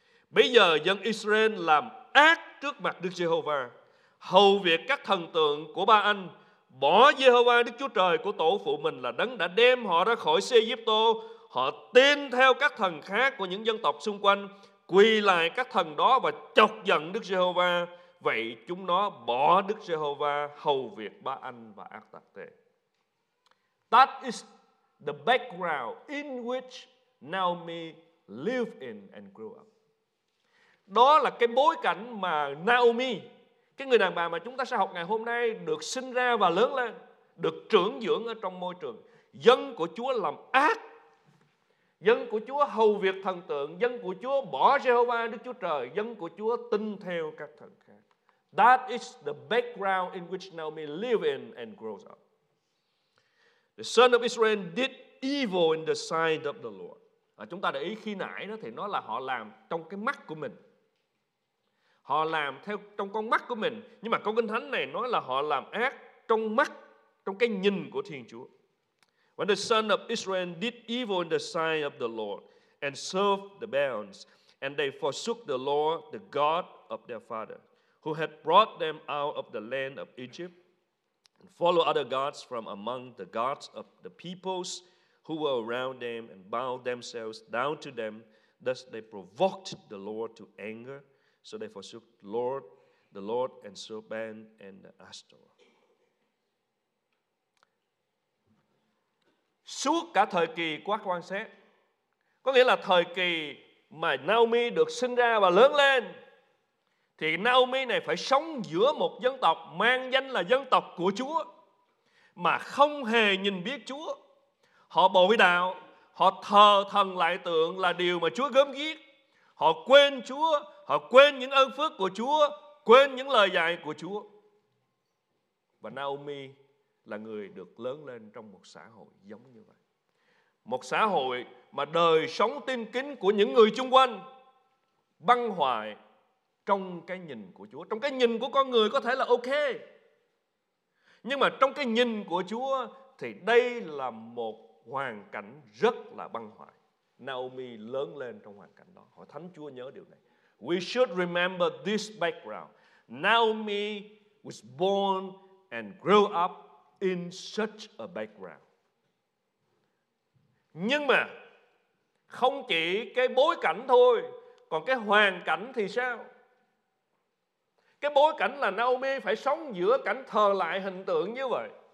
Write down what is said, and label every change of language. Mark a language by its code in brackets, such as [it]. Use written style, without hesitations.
[vi] Bây giờ dân Israel làm ác trước mặt Đức Giê-hô-va, hầu việc các thần tượng của ba anh, bỏ Giê-hô-va Đức Chúa Trời của tổ phụ mình là đấng đã đem họ ra khỏi Ê-díp-tô. Họ tin theo các thần khác của những dân tộc xung quanh, quỳ lại các thần đó và chọc giận Đức Giê-hô-va. Vậy chúng nó bỏ Đức Giê-hô-va, hầu việc ba anh và ác tặc tệ. [en] That is the background in which Naomi lived in and grew up. [vi] Đó là cái bối cảnh mà Naomi, cái người đàn bà mà chúng ta sẽ học ngày hôm nay, được sinh ra và lớn lên, được trưởng dưỡng ở trong môi trường dân của Chúa làm ác, dân của Chúa hầu việc thần tượng, dân của Chúa bỏ Jehovah Đức Chúa Trời, dân của Chúa tin theo các thần khác. [en] That is the background in which Naomi lived in and grows up. The son of Israel did evil in the sight of the Lord. [vi] Chúng ta để ý khi nãy đó thì nó là họ làm trong cái mắt của mình. Họ làm theo trong con mắt của mình. Nhưng mà câu Kinh Thánh này nói là họ làm ác trong mắt, trong cái nhìn của Thiên Chúa. [en] When the son of Israel did evil in the sight of the Lord and served the Baals, and they forsook the Lord, the God of their father, who had brought them out of the land of Egypt, and followed other gods from among the gods of the peoples who were around them and bowed themselves down to them, thus they provoked the Lord to anger. So they forsook the Lord, and so Ben and Astor. [vi] Suốt cả thời kỳ Các Quan Xét, có nghĩa là thời kỳ mà Naomi được sinh ra và lớn lên, thì Naomi này phải sống giữa một dân tộc mang danh là dân tộc của Chúa, mà không hề nhìn biết Chúa. Họ bội đạo, họ thờ thần lại tượng là điều mà Chúa gớm ghiếc. Họ quên Chúa, họ quên những ơn phước của Chúa, quên những lời dạy của Chúa. Và Naomi là người được lớn lên trong một xã hội giống như vậy. Một xã hội mà đời sống tin kính của những người chung quanh băng hoại trong cái nhìn của Chúa. Trong cái nhìn của con người có thể là ok, nhưng mà trong cái nhìn của Chúa thì đây là một hoàn cảnh rất là băng hoại. Naomi lớn lên trong hoàn cảnh đó. Hỏi Thánh Chúa nhớ điều này. [en] We should remember this background. Naomi was born and grew up in such a background. [vi] Nhưng mà không chỉ cái bối cảnh thôi, còn cái hoàn cảnh thì sao? Cái bối cảnh là Naomi phải sống giữa cảnh thờ lại hình tượng như vậy.